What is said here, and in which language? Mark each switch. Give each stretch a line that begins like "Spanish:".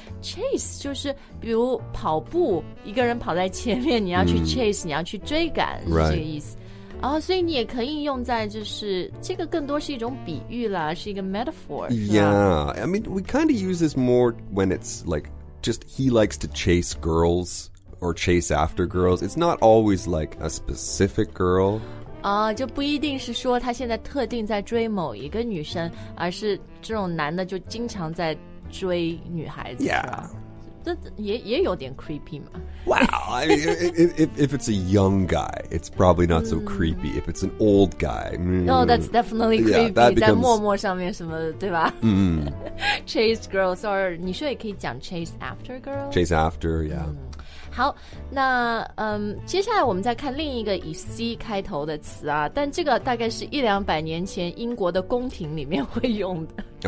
Chinese: Chase 就是比如跑步，一个人跑在前面，你要去 chase,、你要去追赶、
English: right.
Chinese: 这个意思。所以你也可以用在就是这个更多是一种比喻啦，是一个 metaphor.
English: Yeah, I mean, we kind of use this more when it's like,just he likes to chase girls or chase after girls. It's not always like a specific girl.
Chinese: 就不一定是说他现在特定在追某一个女生，而是这种男的就经常在追女孩子。
English: Yeah.
Chinese: 这也有点 creepy 嘛。
English: Wow, I mean, if it's a young guy, it's probably not so creepy. If it's an old guy, No, that's definitely creepy. Yeah, that becomes...
Chinese: 在陌陌上面什么的，对吧？
English: Chase girls, or
Chinese: 你说也可以讲
English: chase after girls? Chase after, yeah.
Chinese: 好，那接下来我们再看另一个以 C 开头的词啊，但这个大概是一两百年前英国的宫廷里面会用的。